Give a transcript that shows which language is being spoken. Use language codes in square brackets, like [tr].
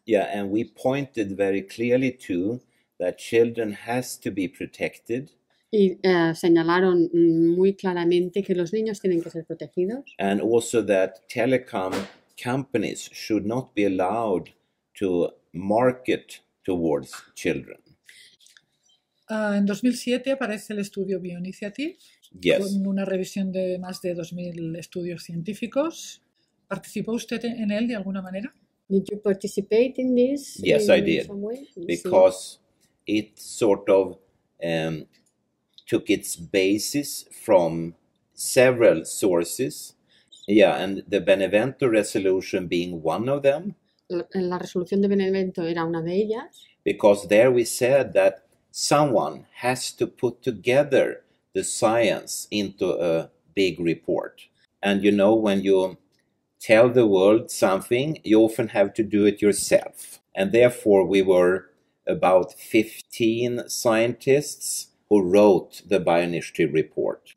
[en] Yeah, and we pointed very clearly to that children has to be protected. [es] Y señalaron muy claramente que los niños tienen que ser protegidos. [en] And also that telecom companies should not be allowed to market towards children. [es] En 2007 aparece el estudio Bioinitiative. [en] Yes. [es] Con una revisión de más de 2000 estudios científicos. ¿Participó usted en él de alguna manera? [en] Did you participate in this? Yes, in I did. Because it sort of took its basis from several sources. Yeah, and the Benevento resolution being one of them. [es] La resolución de Benevento era una de ellas. [en] Because there we said that someone has to put together the science into a big report. And you know, when you tell the world something, you often have to do it yourself. And therefore, we were about 15 scientists who wrote the Bioinitiative report.